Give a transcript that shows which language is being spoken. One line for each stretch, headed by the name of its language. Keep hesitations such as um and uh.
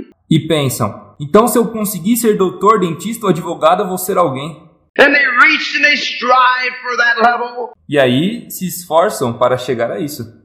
Portuguese: E pensam, então se eu conseguir ser doutor, dentista ou advogado, eu vou ser alguém.
English: And they reach and they strive for that level.
Portuguese: E aí se esforçam para chegar a isso.